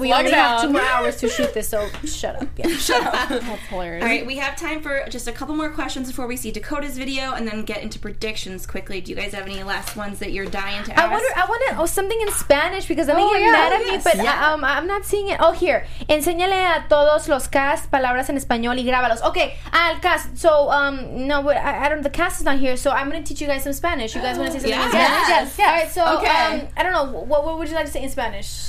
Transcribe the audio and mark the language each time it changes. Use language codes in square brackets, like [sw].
[en] We only have 2 more hours to shoot this, so shut up. Yeah. Shut up. That's hilarious. All right, we have time for just a couple more questions before we see Dakota's video and then get into predictions quickly. Do you guys have any last ones that you're dying to ask? I want something in Spanish because I'm going to get mad at me, but yeah. I'm not seeing it. Oh, here. [es] Enséñale a todos los cast palabras en español y grábalos. Okay, al cast. [en] So, no, but the cast is not here, so I'm going to teach you guys some Spanish. You guys want to say something in Spanish? All right, so, okay. I don't know. What would you like to say in Spanish?